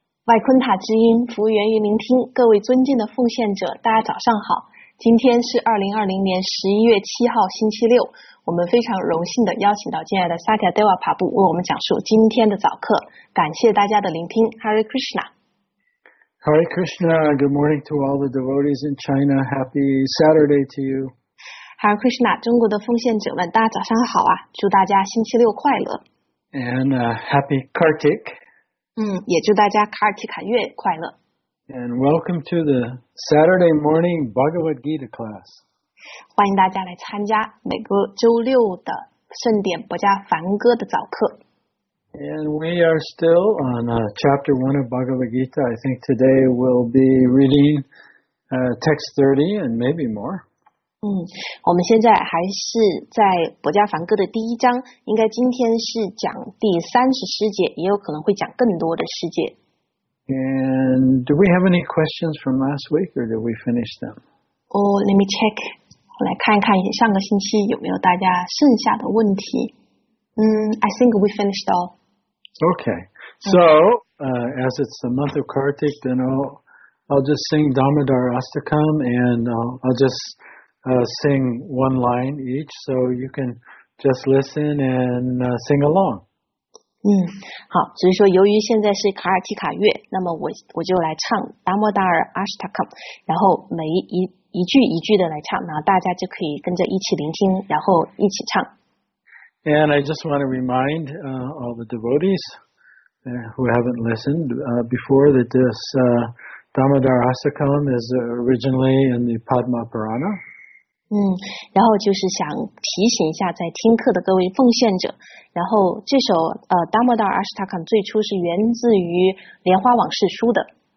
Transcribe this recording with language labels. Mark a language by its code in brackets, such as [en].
[zh] 外昆塔之音，服务员云聆听。各位尊敬的奉献者，大家早上好。今天是2020年11月7号，星期六。我们非常荣幸的邀请到敬爱的萨迦德瓦帕布为我们讲述今天的早课。感谢大家的聆听。Hare Krishna。 [en] Hare Krishna. Good morning to all the devotees in China. Happy Saturday to you. Hare Krishna. [zh] 中国的奉献者们，大家早上好啊！祝大家星期六快 [en] 乐。And happy Kartik. [zh] 也祝大家卡尔提卡月快乐。 [en] And welcome to the Saturday morning Bhagavad Gita class. [zh] 欢迎大家来参加每个周六的盛典博加梵歌的早课。 [en] And we are still on chapter 1 of Bhagavad Gita. I think today we'll be reading text 30 and maybe more. [zh] 我们现在还是在博迦梵歌的第一章，应该今天是讲第30诗节，也有可能会讲更多的诗节。 [en] And do we have any questions from last week, or did we finish them? Let me check. [zh] 我来看一看上个星期有没有大家剩下的问题。 [en] I think we finished all. Okay. So, as it's the month of Kartik, then I'll just sing Damodar Astakam, and I'll just sing one line each, so you can just listen and sing along. [zh] 好，所以说由于现在是卡尔提卡月，那么我就来唱达摩达尔阿什塔卡，然后每一句一句的来唱，然后大家就可以跟着一起聆听，然后一起唱。 [en] And I just want to remind all the devotees who haven't listened before that this达摩达尔阿什塔卡 is originally in the Padma Purana. [zh] 然后就是想提醒一下在听课的各位奉献者，然后这首Damodar Ashtakam 最初是源自于莲花往事书的。